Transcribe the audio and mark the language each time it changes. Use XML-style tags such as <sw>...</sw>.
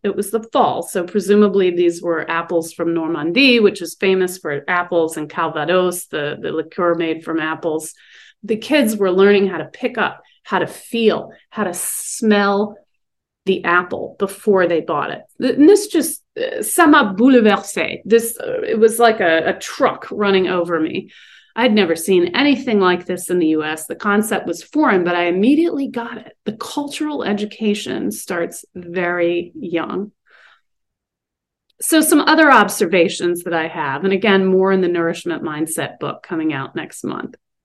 <en>It was the fall, so presumably these were apples from Normandy, which is famous for apples, and Calvados, the liqueur made from apples. The kids were learning how to pick up, how to feel, how to smell the apple before they bought it. And this just,</en> <fr>ça m'a bouleversé.</fr> <en>This, it was like a truck running over me. I'd never seen anything like this in the U.S. The concept was foreign, but I immediately got it. The cultural education starts very young. So some other observations that I have, and again, more in the Nourishment Mindset book coming out next month.</en>